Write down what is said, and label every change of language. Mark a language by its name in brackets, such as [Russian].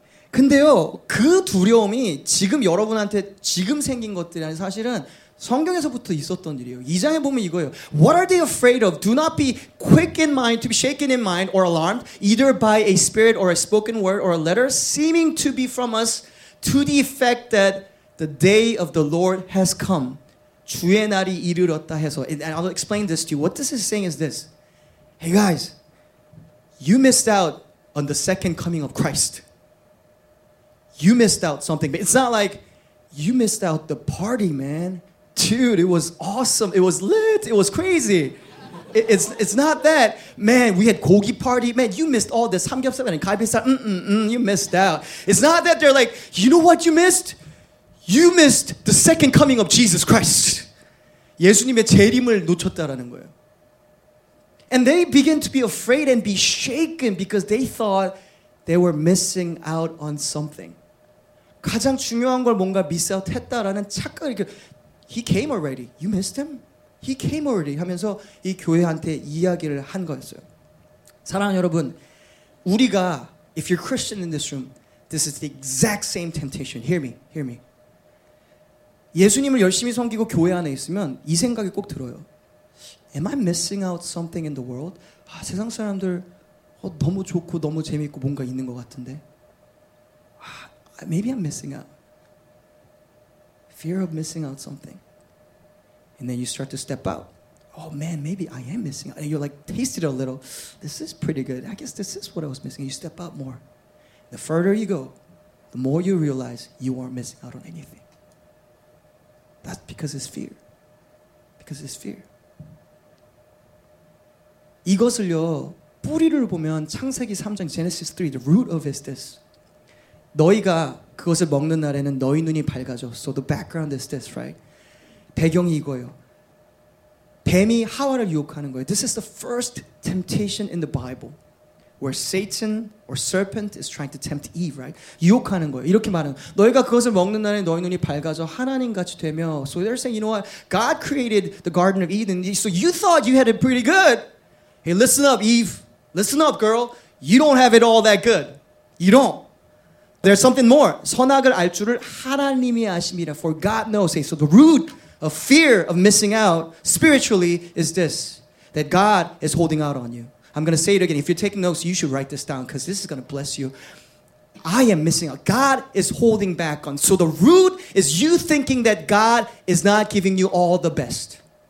[Korean] 근데요, 그 두려움이 지금 여러분한테 지금 생긴 것들이란 사실은 성경에서부터 있었던 일이에요. 2장에 보면 이거예요. [English] What are they afraid of? Do not be quick in mind to be shaken in mind or alarmed either by a spirit or a spoken word or a letter seeming to be from us to the effect that the day of the Lord has come. [Korean] 주의 날이 이르렀다 해서. [English] And I'll explain this to you. What this is saying is this. Hey guys, you missed out on the second coming of Christ. You missed out something. It's not like you missed out the party, man. Dude, it was awesome. It was lit. It was crazy. It's not that. Man, we had gogi party. Man, you missed all this. 삼겹살 and 갈비살. You missed out. It's not that they're like, you know what you missed? You missed the second coming of Jesus Christ. [Korean] 예수님의 재림을 놓쳤다라는 거예요. [English] And they begin to be afraid and be shaken because they thought they were missing out on something. [Korean] 가장 중요한 걸 뭔가 미스아웃했다라는 착각을 이렇게 [English] He came already. You missed him? He came already. [Korean] 하면서 이 교회한테 이야기를 한 거였어요. 사랑하는 여러분, 우리가 [English] If you're Christian in this room, this is the exact same temptation. Hear me. [Korean] 예수님을 열심히 섬기고 교회 안에 있으면 이 생각이 꼭 들어요. [English] Am I missing out something in the world? [Korean] 아, 세상 사람들 너무 좋고 너무 재밌고 뭔가 있는 것 같은데 [English] Maybe I'm missing out. Fear of missing out something. And then you start to step out. Oh man, maybe I am missing out. And you're like, tasted a little. This is pretty good. I guess this is what I was missing. You step out more. The further you go, the more you realize you aren't missing out on anything. That's because it's fear. Because it's fear. [Korean] 이것을요, 뿌리를 보면 창세기 3장, [English] Genesis 3, the root of is this. [Korean] 너희가 그것을 먹는 날에는 너희 눈이 밝아져. [English] So the background is this, right? [Korean] 배경이 이거예요. 뱀이 하와를 유혹하는 거예요. [English] This is the first temptation in the Bible where Satan or serpent is trying to tempt Eve, right? [Korean] 유혹하는 거예요. 이렇게 말하는 거예요. 너희가 그것을 먹는 날에 너희 눈이 밝아져 하나님같이 되며. [English] So they're saying, you know what? God created the Garden of Eden. So you thought you had it pretty good. Hey, listen up, Eve. Listen up, girl. You don't have it all that good. You don't. There's something more. [Korean] 선악을 알 줄을 하나님이 아심이라. [English] For God knows. So the root of fear of missing out spiritually is this. That God is holding out on you. I'm going to say it again. If you're taking notes, you should write this down because this is going to bless you. I am missing out. God is holding back on. So the root is you thinking that God is not giving you all the best.